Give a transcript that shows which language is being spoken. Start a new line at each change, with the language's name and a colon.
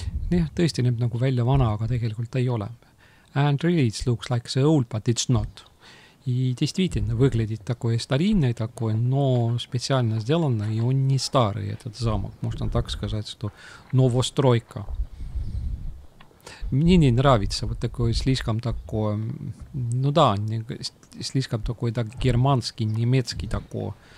Estonian: Yeah, tõesti näeb nagu välja vana, aga tegelikult ei ole.
English: And really it looks like so old, but it's not.
Russian: И действительно выглядит такое старинное, такое, но специально сделано, и он не старый этот замок. Можно так сказать, что новостройка. Мне не нравится вот такое слишком такое, ну да, слишком такой так германский, немецкий такой.